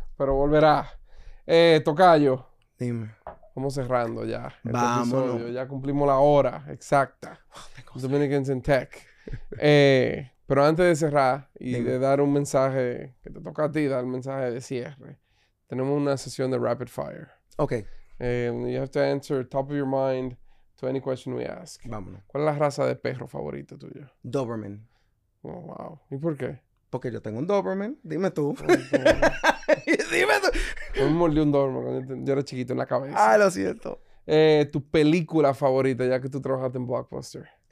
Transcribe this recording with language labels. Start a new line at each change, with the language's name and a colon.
Spanish: Pero volverá. Tocayo. Dime. Vamos cerrando ya. Vámonos. Este episodio. Ya cumplimos la hora exacta. Oh,
English: Dominicans in Tech.
Spanish: Pero antes de cerrar y dime, de dar un mensaje que te toca a ti, dar un mensaje de cierre. Tenemos una sesión de rapid fire. Ok.
English: You have to answer top of your mind to any question we ask.
Spanish: Vámonos. ¿Cuál es la raza de perro favorito tuyo? Doberman. Oh, wow. ¿Y por qué? Porque yo tengo un Doberman. Dime tú. Dime tú. Yo me mordí un Doberman cuando yo era chiquito en la cabeza. Ah, lo siento. ¿Tu película favorita, ya que tú trabajaste en Blockbuster?